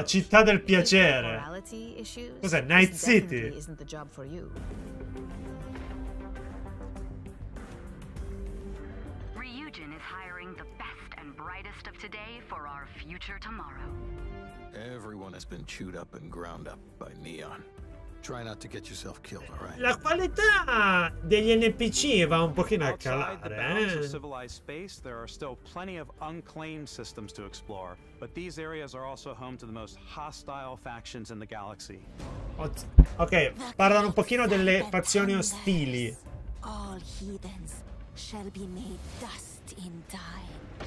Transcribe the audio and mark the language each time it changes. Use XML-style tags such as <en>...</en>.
<it>La città del piacere. Cos'è? Night City.</it> <en>Isn't the job for you. Ryujin is hiring the best and brightest of today for our future tomorrow. Everyone has been chewed up and ground up by Neon. Try not to get yourself killed, all right?</en> <it>La qualità degli NPC va un pochino a calare, eh?</it> <en>In civilized space, there are still plenty of unclaimed systems to explore, but these areas are also home to the most hostile factions in the galaxy.</en> <it>Ok, parlano un pochino delle fazioni ostili.</it> <en>All heathens shall be made dust in time.</en>